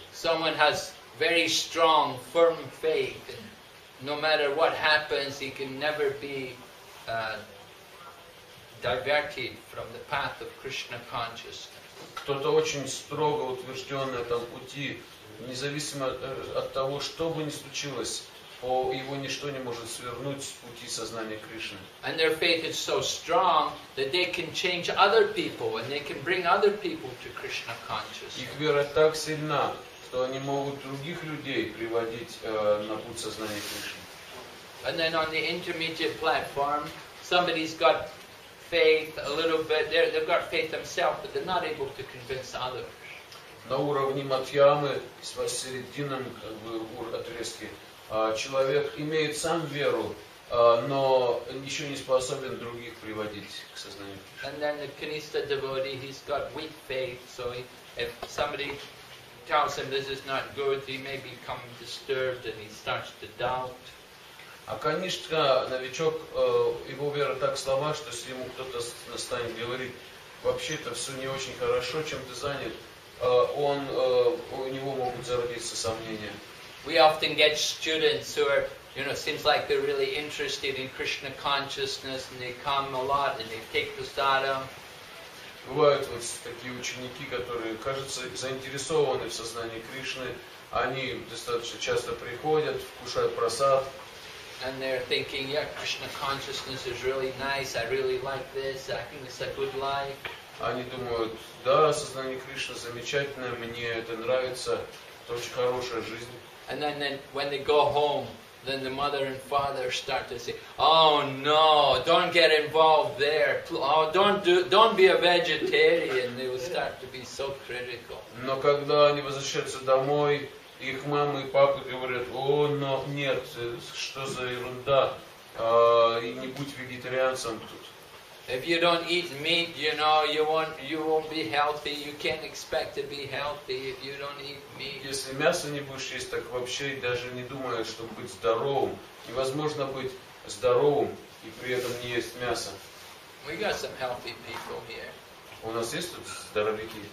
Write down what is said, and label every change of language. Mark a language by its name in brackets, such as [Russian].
[English] Someone has very strong, firm faith, and no matter what happens, he can never be diverted from the path of Krishna consciousness. [Russian] Кто-то очень строго утвержден на этом пути, независимо от того, что бы ни случилось, по его ничто не может свернуть с пути сознания Кришны. [English] And their faith is so strong that they can change other people and they can bring other people to Krishna consciousness. [Russian] Их вера так сильна, что они могут других людей приводить на путь сознания Кришны. [English] And then on the intermediate platform, somebody's got faith a little bit. They've got faith themselves, but they're not able to convince others. [Russian] На уровне Матьямы, с посередином отрезки, человек имеет сам веру, но еще не способен других приводить к сознанию. [English] And then the Kanista devotee, he's got weak faith, so if somebody tells him this is not good, he may become disturbed and he starts to doubt. [Russian] А Канишка, новичок, его вера так слаба, что если ему кто-то станет говорить, вообще-то все не очень хорошо, чем ты занят, у него могут зародиться сомнения. [English] We often get students who are, you know, seems like they're really interested in Krishna consciousness, and they come a lot, and they take prasadam. [Russian] Бывают вот такие ученики, которые, кажется, заинтересованы в сознании Кришны, они достаточно часто приходят, кушают прасад. [English] And they're thinking, yeah, Krishna consciousness is really nice, I really like this, I think it's a good life. [Russian] Они думают, да, сознание Кришны замечательное, мне это нравится, это очень хорошая жизнь. [English] And then when they go home, then the mother and father start to say, oh no, don't get involved there, oh, don't be a vegetarian, they will start to be so critical. [Russian] Но когда они возвращаются домой, их мама и папа говорят, о, но нет, что за ерунда, и не будь вегетарианцем тут. [English] If you don't eat meat, you know, you won't be healthy. You can't expect to be healthy if you don't eat meat. [Russian] Если мясо не будешь есть, так вообще даже не думаю, чтобы быть здоровым. Невозможно быть здоровым и при этом не есть мясо. [English] We got some healthy people here. [Russian] У нас есть тут здоровяки?